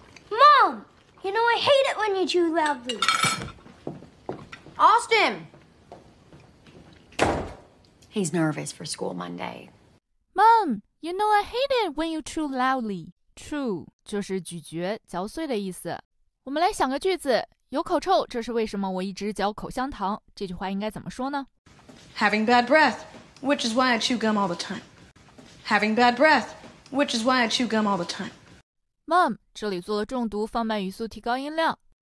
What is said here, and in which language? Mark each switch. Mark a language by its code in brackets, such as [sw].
[en] Mom! You know, I hate it when you chew loudly. Austin! He's nervous for school Monday. Mom! You know, I hate it when you chew loudly. [zh] Chew 就是咀嚼、嚼碎的意思。我们来想个句子，有口臭，这是为什么我一直嚼口香糖？这句话应该怎么说呢？ [en] Having bad breath, which is why I chew gum all the time. Having bad breath, which is why I chew gum all the time. [zh] Mom, 这里做了重读，放慢语速，提高音量。